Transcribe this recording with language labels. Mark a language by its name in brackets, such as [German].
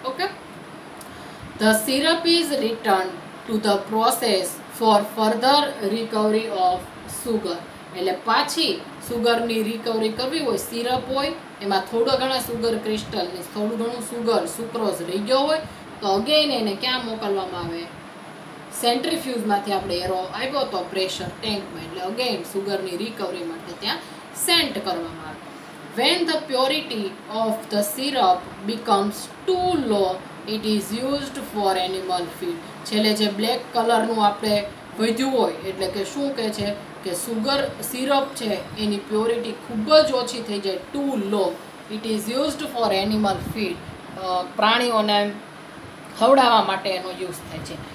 [Gujarati] Okay, [English] the syrup is return to the process for further recovery of sugar, [Gujarati] એટલે પાછી સુગરની recovery કરવી હોય, syrup હોય એમાં થોડો ઘણા સુગર ક્રિસ્ટલ, થોડું ઘણું સુગર સુક્રોસ રહી ગયો હોય, તો અગેઇન એને ક્યાં મોકલવામાં આવે, સેન્ટ્રીફ્યુઝમાંથી આપણે એરો આવ્યો તો પ્રેશર ટેન્કમાં, એટલે અગેઇન સુગરની રિકવરી માટે ત્યાં સેન્ટ કરવામાં આવે. [English] When the purity of the syrup becomes too low, it is used for animal feed. [Gujarati] છેલ્લે જે બ્લેક કલરનું આપણે વધ્યું હોય, એટલે કે શું કહે છે કે સુગર સિરપ છે એની પ્યોરિટી ખૂબ જ ઓછી થઈ જાય, [English] too low, it is used for animal feed, [Gujarati] પ્રાણીઓને ખવડાવવા માટે એનો યુઝ થાય છે.